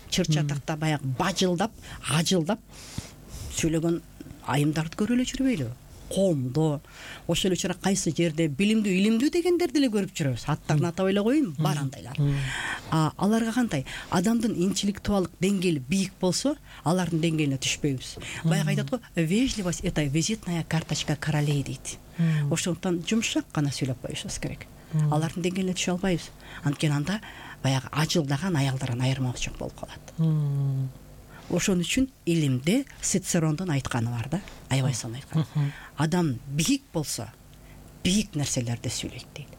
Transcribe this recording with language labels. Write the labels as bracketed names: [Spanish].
[Kyrgyz] Чыр чатакта баягы бажылдап, ажылдап сүйлөгөн айымдарды көрө эле жүрбөйлүбү? Коомдо ошол эле учурда кайсы жерде билимдүү, илимдүү дегендерди эле көрүп жүрөбүз. Аттарын атап эле коеюн, бар андайлар. Аларга кандай адамдын интеллектуалдык деңгээли бийик болсо, алардын деңгээлине түшпөйбүз. Баягы айтат го, [Russian] вежливость это визитная карточка королей [Kyrgyz] дейт. Ошондуктан жумшак гана сүйлөп коюшубуз керек. Алардын деңгээлине түшө албайбыз. Анткени анда баягы ачылдаган аялдардан айырмабыз жок болуп калат. Ошон үчүн илимде Цицерондун айтканы бар да, аябай сонун айткан. Адам бийик болсо, бийик нерселерди сүйлөйт дейт.